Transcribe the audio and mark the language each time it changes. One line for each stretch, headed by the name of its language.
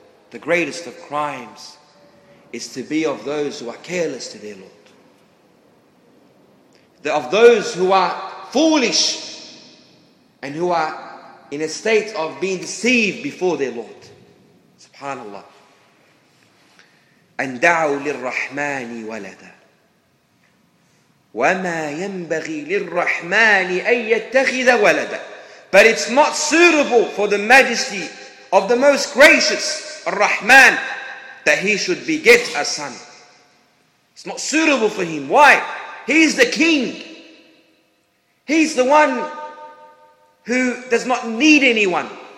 English: The greatest of crimes is to be of those who are careless to their Lord. Of those who are foolish and who are in a state of being deceived before their Lord. Subhanallah.
Arabic: أن دعوا للرحمن ولدا وما ينبغي للرحمن أن يتخذ ولدا.
English: But it's not suitable for the majesty of the most gracious Ar-Rahman that he should beget a son. It's not suitable for him. Why? He's the king. He's the one who does not need anyone.